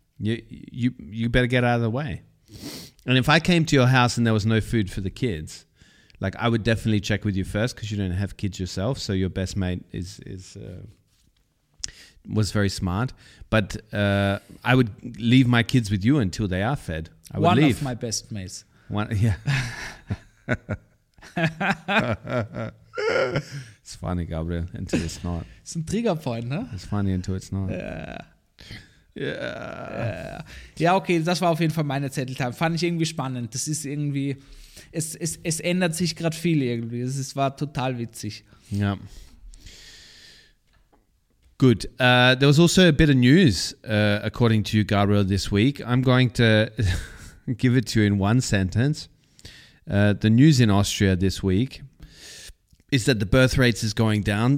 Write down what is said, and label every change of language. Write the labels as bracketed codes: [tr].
[en] You better get out of the way. And if I came to your house and there was no food for the kids, like, I would definitely check with you first, because you don't have kids yourself, so your best mate was very smart. But I would leave my kids with you until they are fed. I would one leave. Of my best mates. One, yeah. It's funny, Gabriel, until it's not. It's a trigger point, ne? It's funny until it's not. [de] Ja, okay, das war auf jeden Fall meine Zettel-Time. Fand ich irgendwie spannend. Das ist irgendwie, es ändert sich gerade viel irgendwie. Es war total witzig. Ja. [en] Good. There was also a bit of news, according to you, Gabriel, this week. I'm going to give it to you in one sentence. The news in Austria this week is that the birth rates is going down.